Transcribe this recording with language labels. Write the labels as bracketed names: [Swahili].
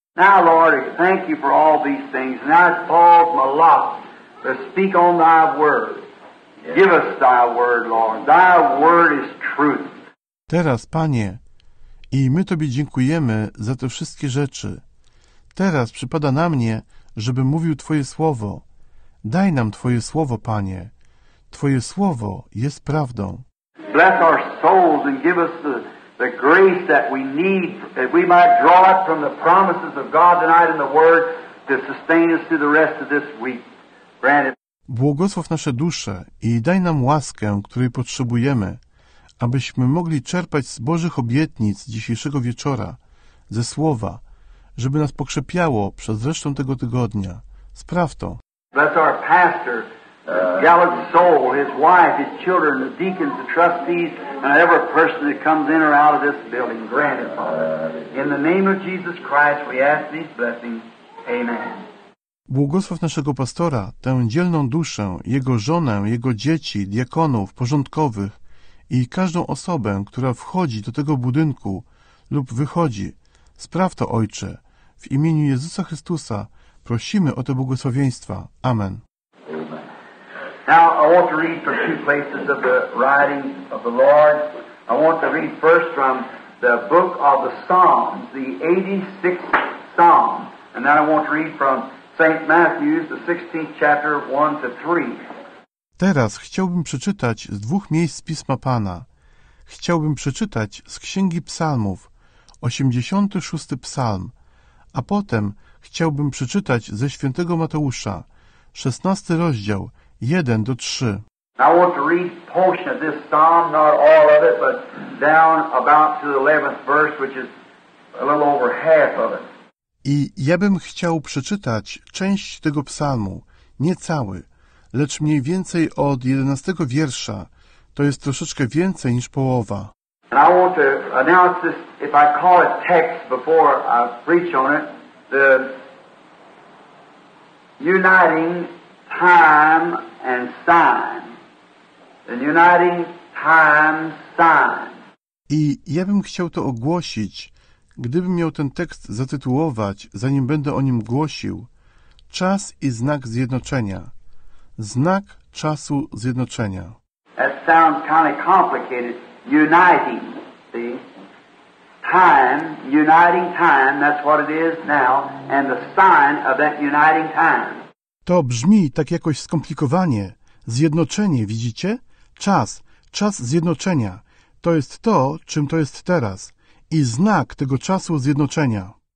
[English] Now, Lord, thank you for all these things. Now it's Paul's my lot to speak on thy word. Give us thy word, Lord. Thy word is truth. [Polish] Teraz, Panie, I my Tobie dziękujemy za te wszystkie rzeczy. Teraz przypada na mnie, żebym mówił Twoje słowo. Daj nam Twoje słowo, Panie. Twoje słowo jest prawdą. [English] Bless our souls and give us the grace that we need, that we might draw it from the promises of God tonight in the Word to sustain us through the rest of this week. Granted. [Polish] Błogosław nasze dusze i daj nam łaskę, której potrzebujemy, abyśmy mogli czerpać z Bożych obietnic dzisiejszego wieczora, ze Słowa, żeby nas pokrzepiało przez resztę tego tygodnia. Spraw to. [English] Bless our pastor, Gallup's soul, his wife, his children, the deacons, the trustees, and every person that comes in or out of this building. Granted, Father. In the name of Jesus Christ, we ask these blessings. Amen. [Polish] Błogosław naszego pastora, tę dzielną duszę, jego żonę, jego dzieci, diakonów, porządkowych i każdą osobę, która wchodzi do tego budynku lub wychodzi. Spraw to, Ojcze. W imieniu Jezusa Chrystusa prosimy o te błogosławieństwa. Amen. [English] Now I want to read from two places of the writings of the Lord. I want to read first from the book of the Psalms, the 86th Psalm. And then I want to read from St. Matthew's, the 16th chapter, 1-3. [Polish] Teraz chciałbym przeczytać z dwóch miejsc Pisma Pana. Chciałbym przeczytać z Księgi Psalmów, 86. Psalm, a potem chciałbym przeczytać ze Świętego Mateusza, 16. rozdział, 1-3. [English] I want to read a portion of this psalm, not all of it, but down about to the 11th verse, which is a little over half of it. [Polish] I ja bym chciał przeczytać część tego psalmu, nie cały, lecz mniej więcej od 11 wiersza, to jest troszeczkę więcej niż połowa. [English] And I want to announce this, if I call it text before I preach on it, the uniting time and sign. The uniting time sign. [Polish] I ja bym chciał to ogłosić, gdybym miał ten tekst zatytułować, zanim będę o nim głosił, czas i znak zjednoczenia. Znak czasu zjednoczenia. [English] That sounds kind of complicated. Uniting, see? Time, uniting time, that's what it is now, and the sign of that uniting time. [Polish] To brzmi tak jakoś skomplikowanie. Zjednoczenie, widzicie? Czas, czas zjednoczenia. To jest to, czym to jest teraz. I znak tego czasu zjednoczenia.